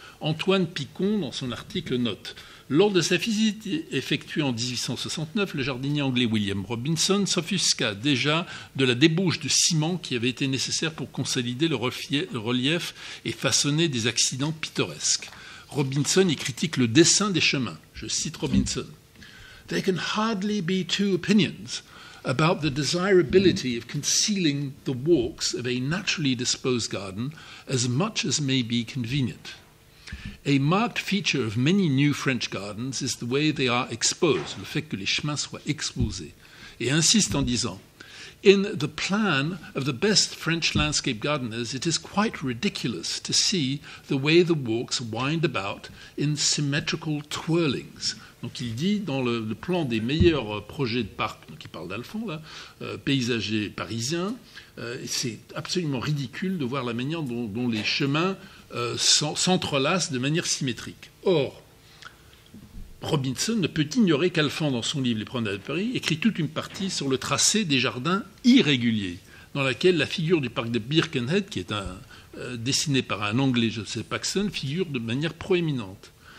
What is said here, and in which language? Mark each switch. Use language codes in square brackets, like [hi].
[fr] Antoine Picon, dans son article, note « Lors de sa visite effectuée en 1869, le jardinier anglais William Robinson s'offusqua déjà de la débauche de ciment qui avait été nécessaire pour consolider le relief et façonner des accidents pittoresques. Robinson y critique le dessin des chemins. Je cite Robinson. [en] « There can hardly be two opinions about the desirability of concealing the walks of a naturally disposed garden as much as may be convenient. » A marked feature of many new French gardens is the way they are exposed, [fr] le fait que les chemins soient exposés. Et insiste en disant, [en] in the plan of the best French landscape gardeners, it is quite ridiculous to see the way the walks wind about in symmetrical twirlings. [fr] Donc il dit, dans le plan des meilleurs projets de parc, donc il parle d'Alphand là, paysager parisien, c'est absolument ridicule de voir la manière dont les chemins s'entrelacent de manière symétrique. Or, Robinson ne peut ignorer qu'Alphand, dans son livre « Les promenades de Paris », écrit toute une partie sur le tracé des jardins irréguliers, dans laquelle la figure du parc de Birkenhead, qui est dessinée par un Anglais, Joseph Paxton, figure de manière proéminente.